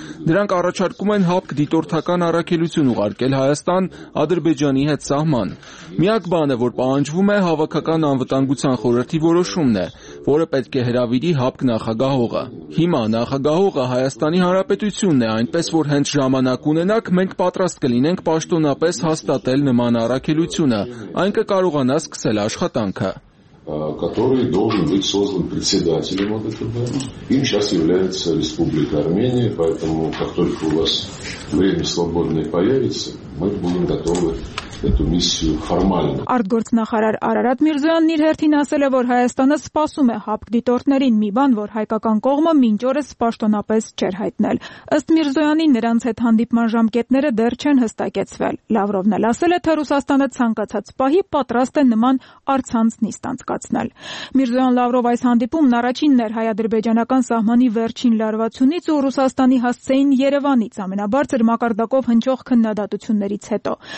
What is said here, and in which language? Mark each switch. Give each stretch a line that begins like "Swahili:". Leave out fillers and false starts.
Armenian: Նրանք առաջարկում են ՀԱՊԿ դիտորդական առաքելություն ուղարկել Հայաստան Ադրբեջանի հետ սահման։ Միակ բանը, որ պահանջվում է, հավաքական անվտանգության խորհրդի որոշումն է, որը պետք է հրավիրի ՀԱՊԿ նախագահողը։ Հիմա նախագահողը Հայաստանի Հանրապետությունն է, այնպես որ հենց ժամանակ ունենաք, մենք պատրաստ կլինենք պաշտոնապես հաստատել նման առաքելությունը, այն կկարողանա սկսել աշխատանքը,
Russian: который должен быть создан председателем ОДКБ. Им сейчас является Республика Армения, поэтому как только у вас время свободное появится, мы будем готовы эту миссию формально.
Armenian: Արտգործնախարար Արարատ Միրզոյանն իր հերթին ասել է, որ Հայաստանը սպասում է ՀԱՊԿ դիտորդներին, մի բան, որ հայկական կողմը մինչ օրս պաշտոնապես չէր հայտնել։ Ըստ Միրզոյանի, նրանց հետ հանդիպման ժամկետները դեռ չեն հստակեցվել։ Լավրովն էլ ասել է, թե Ռուսաստանը ցանկացած պահի պատրաստ է նման արցանց նիստ անցկացնել։ Միրզոյան Լավրով այս հանդիպումն առաջինն էր հայ-ադրբեջանական սահմանի վերջին լարվածունից ու Ռուսաստանի հասցեին Երևանից ամենաբարձր մակարդակով հնչող քննադատություններից հետո։